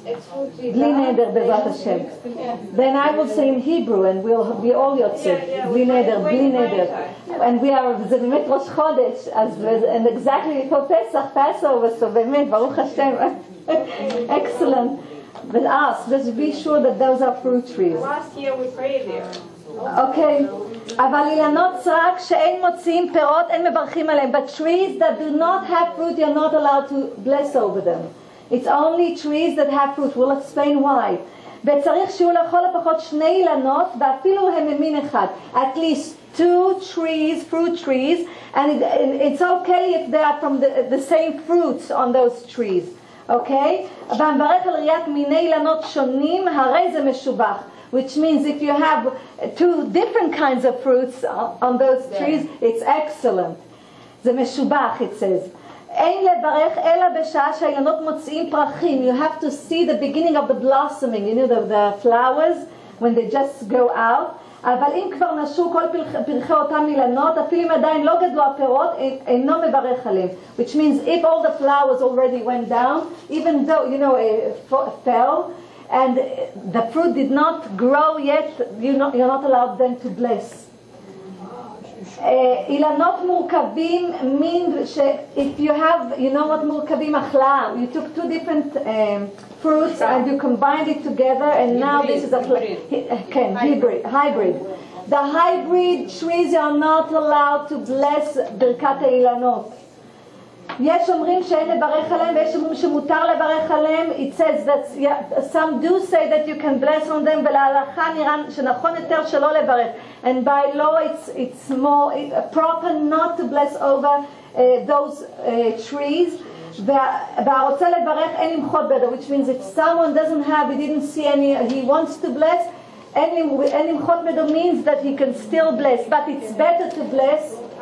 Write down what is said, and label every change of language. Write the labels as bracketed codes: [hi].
[en] Glineder, Bezrat Hashem. Then I will say in Hebrew, and we'll be all Yotzev. Glineder, Glineder. And we are the Zemet Rosh Chodesh, and exactly for Pesach, Passover, so Bemet, Baruch Hashem. Excellent. But ask, just be sure that those are fruit trees. Last year we prayed there. Okay. [he] אבל אילנות סרק שאין מוציאים פירות, אין מברכים עליהם. [en] But trees that do not have fruit, you're not allowed to bless over them. It's only trees that have fruit. We'll explain why. [he] וצריך שיהיו לכל הפחות שני אילנות ואפילו הם ממין אחד. [en] At least two trees, fruit trees, and it's okay if they are from the same fruits on those trees. Okay? [he] ואמברך על ראיית מיני אילנות שונים, הרי זה משובח. [en] Which means if you have two different kinds of fruits on those trees, it's excellent. [he] זה משובח, [en] it says. [he] אין לברך אלא בשעה שהאילנות מוציאים פרחים. [en] You have to see the beginning of the blossoming, you know, the flowers, when they just go out. [he] אבל אם כבר נשאו כל פרחי אותם אילנות, אפילו אם עדיין לא גדלו הפירות, אינו מברך עליהם. [en] Which means if all the flowers already went down, even though, you know, it fell, and the fruit did not grow yet, you're not allowed then to bless. [he] אילנות מורכבים [en] mean if you have, you know what מורכבים אכלה, you took two different fruits and you combined it together and now this is a hybrid. The hybrid trees are not allowed to bless ברכת האילנות. [he] יש אומרים שאין לברך עליהם ויש אומרים שמותר לברך עליהם. [en] It says that some do say that you can bless on them, [he] ולהלכה נראה שנכון יותר שלא לברך. [en] And by law it's more proper not to bless over those trees. [he] והרוצה לברך אין למחות בידו, [en] which means if someone doesn't have, he didn't see any, he wants to bless, [he] אין למחות בידו [en] means that he can still bless, but it's better to bless.